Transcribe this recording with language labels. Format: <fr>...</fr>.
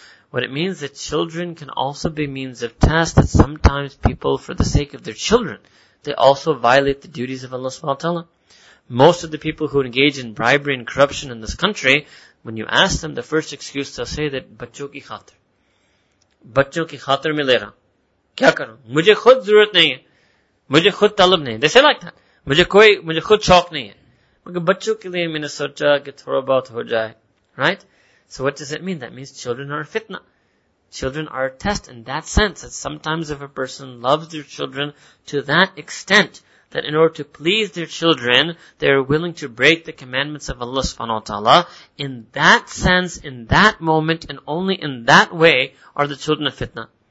<en>What it means that children can also be means of test, that sometimes people, for the sake of their children, they also violate the duties of Allah subhanahu wa ta'ala. Most of the people who engage in bribery and corruption in this country, when you ask them, the first excuse they'll say that,</en> <hi>bachon ki khatir. Bachon ki khatir milera. क्या करूं, मुझे खुद ज़रूरत नहीं है, मुझे खुद तलब नहीं है.</hi> <en>They say like that,</en> <hi>मुझे खुद शौक नहीं है, मगर बच्चों के लिए मैंने सोचा कि थोड़ा बहुत हो जाए, right?</hi> <en>So what does it mean? That means children are a fitna. Children are a test in that sense, that sometimes if a person loves their children to that extent, that in order to please their children, they are willing to break the commandments of Allah subhanahu wa ta'ala, in that sense, in that moment, and only in that way, are the children of fitna.</en>